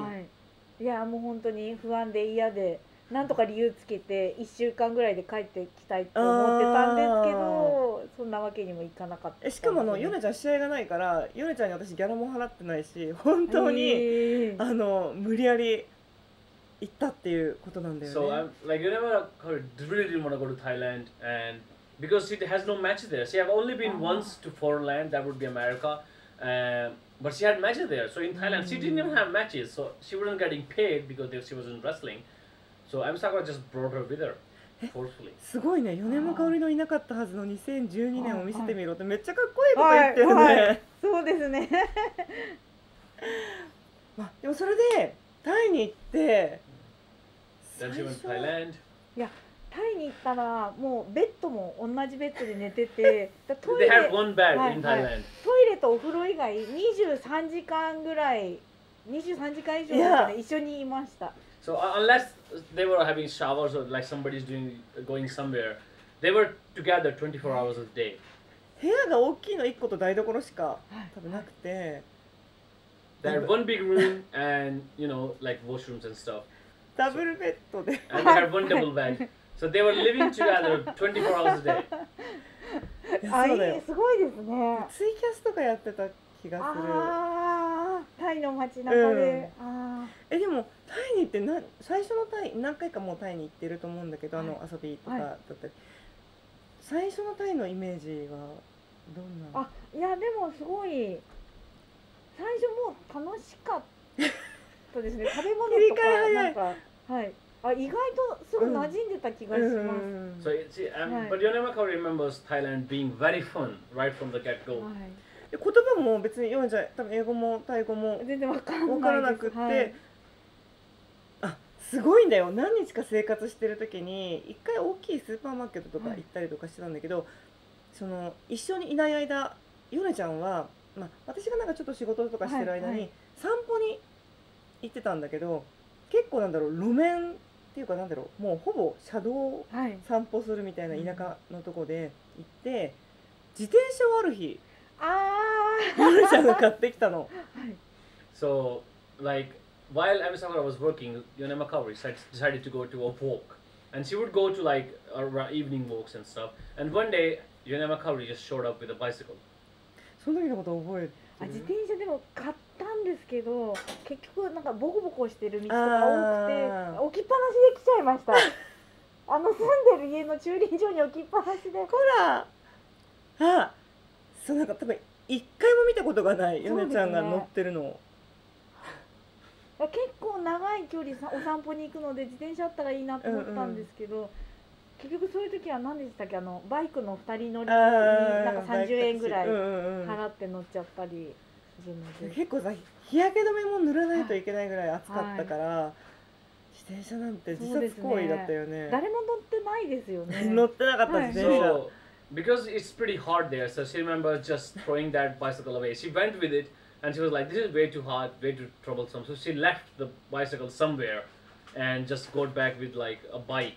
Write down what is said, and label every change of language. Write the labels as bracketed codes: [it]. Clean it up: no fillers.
[ja] はい。いや、もう本当に不安で嫌で、なんとか理由つけて1週間ぐらいで帰ってきたいと思ってたんですけど、そんなわけにもいかなかった、ね。しかもあのヨネちゃん試合がないから、ヨネちゃんに私ギャラも払ってないし、本当に、あの無理やり。行ったっていうことなんだよね。 [en] So I'm like Yona Makaori really didn't want to go to Thailand and because she has no match there. She have only been once to foreign land, that would be America. But she had matches there. So in Thailand, she didn't even have matches. So she wasn't getting paid because she wasn't wrestling. So Ayumu Sakura just brought her with her forcefully. [ja] すごいね。Yona Makaori のいなかったはずの2012年を見せてみろってめっちゃかっこいいこと言ってるね。そうですね。まあでもそれで。タイに行って [en] 最初、That's you in Thailand. [ja] いや、タイに行ったらもうベッドも同じベッドで寝てて、 [en] だトイレ、They have one bed in Thailand. はい、は [ja] い、トイレとお風呂以外23時間ぐらい、23時間以上だから一緒にいました。 [en] Yeah. So unless they were having showers or like somebody's doing going somewhere, they were together 24 hours a day. [ja] 部屋が大きいの1個と台所しか多分なくて。 [en] They had one big room and you know like washrooms and stuff. [ja] ダブルベッドで。 [en] And they had one double bed. So they were living together 24 hours a day. [ja] あいすごいですね。ツイキャスとかやってた気がする。あタイの街中で。うん、えでも。タイに行って最初のタイ何回かもうタイに行ってると思うんだけど、はい、あの遊びとかだったり、はい、最初のタイのイメージはどんな？あいやでもすごい最初もう楽しかったですね食べ物とかなんかはいあ意外とすぐ馴染んでた気がします。うんうん、 [en] so it's but Yonemaka remembers Thailand being very fun right from the get go、 [ja] はい。言葉も別に読んじゃ多分英語もタイ語も全然わからなくって。はいすごいんだよ。何日か生活してる時に一回大きいスーパーマーケットとか行ったりとかしてたんだけど、はい、その一緒にいない間ヨネちゃんは、まあ、私がなんかちょっと仕事とかしてる間に散歩に行ってたんだけど、はいはい、結構なんだろう路面っていうかなんだろうもうほぼ車道を散歩するみたいな田舎のとこで行って、はい、自転車をある日ヨネちゃんが買ってきたの。 [en] そう、はい、so, likeWhile Amisakura was working, Yonemakaori decided to go to a walk. And she would go to like evening walks and stuff. And one day, Yonemakaori just showed up with a bicycle. [ja] その時のこと覚えてる？あ、自転車でも買ったんですけど、結局なんかボコボコしてる道とか多くて、置きっぱなしで来ちゃいました。あの住んでる家の駐輪場に置きっぱなしで。こら！あ、そうなんか多分一回も見たことがない、ヨネちゃんが乗ってるの。結構長い距離お散歩に行くので自転車あったらいいなと思ったんですけど、うんうん、結局そういう時は何でしたっけあのバイクの2人乗りになんか30円ぐらい払って乗っちゃったりするので、うんうん、結構さ日焼け止めも塗らないといけないぐらい暑かったから、はい、自転車なんて自殺行為だったよ ね、 ね誰も乗ってないですよね乗ってなかった自転車、はい、 [en] so, because it's pretty hard there so she remembers just throwing that bicycle away she went with itAnd she was like, this is way too hot, way too troublesome. So she left the bicycle somewhere and just got back with like a bike.